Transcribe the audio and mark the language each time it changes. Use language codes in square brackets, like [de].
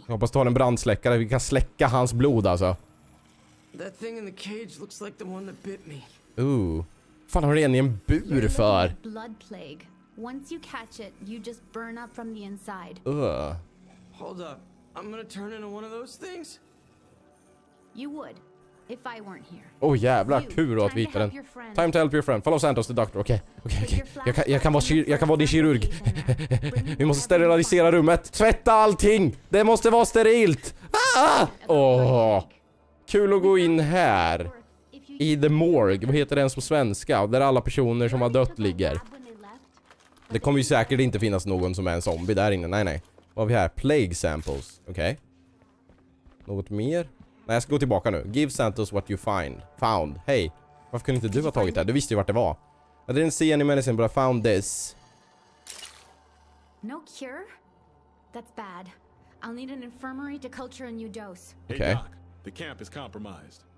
[sv] Jag hoppas du har en brandsläckare. Vi kan släcka hans blod alltså. [en] That thing in the cage looks like the one that bit me. Ooh. [sv] Fan, har du en i en bur för? [en] Blood plague. Once you catch it, you just burn up from the inside. Hold up. I'm gonna turn into one of those things? You would. If I weren't here. [sv] Oh, jävlar, kul att vita den. [en] Time to help your friend. Follow Santos the doctor. [sv] Okay. Jag kan vara din kirurg. Vi måste sterilisera rummet. Tvätta allting. Det måste vara sterilt. Åh. Kul att gå in här. [en] I the morgue. [sv] Vad heter den på svenska? Där alla personer som har dött ligger. Det kommer ju säkert inte finnas någon som är en zombie där inne. Nej. Vad har vi här? [en] Plague samples. [sv] Okej. Okay. Något mer? Nej, jag ska gå tillbaka nu. [en] Give Santos what you find. Found. Hej. [sv] Varför kunde inte du ha tagit det? Du visste ju vart det var. [en] I didn't see any medicine, but I found this. No cure? That's bad. I'll need an infirmary to culture a new dose. Okay. The camp is compromised.